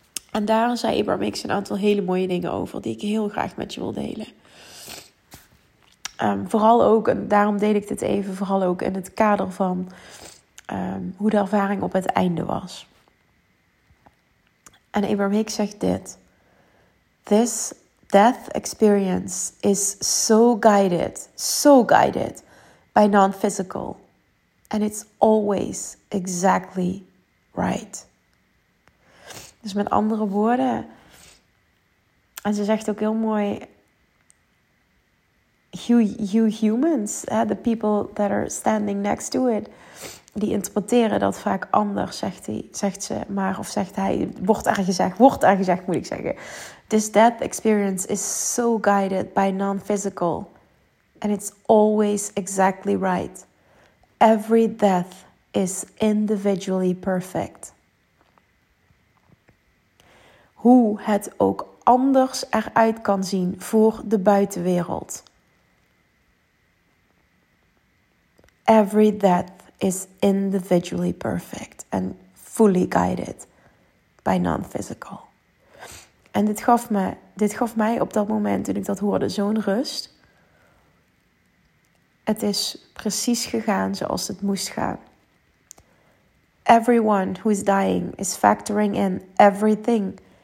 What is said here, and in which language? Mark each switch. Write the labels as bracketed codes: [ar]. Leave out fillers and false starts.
[nl] En daar zei Abraham Hicks een aantal hele mooie dingen over die ik heel graag met je wil delen. Vooral ook, en daarom deel ik dit even, vooral ook in het kader van hoe de ervaring op het einde was. En Abraham Hicks zegt dit. [en] This death experience is so guided by non-physical. And it's always exactly right. [nl] Dus met andere woorden, en ze zegt ook heel mooi, [en] you humans, the people that are standing next to it, [nl] die interpreteren dat vaak anders, zegt hij. [en] This death experience is so guided by non-physical, and it's always exactly right. Every death is individually perfect. [nl] Hoe het ook anders eruit kan zien voor de buitenwereld. [en] Every death is individually perfect and fully guided by non-physical. [nl] En dit gaf mij op dat moment, toen ik dat hoorde, zo'n rust. Het is precies gegaan zoals het moest gaan. [en] Everyone who is dying is factoring in everything.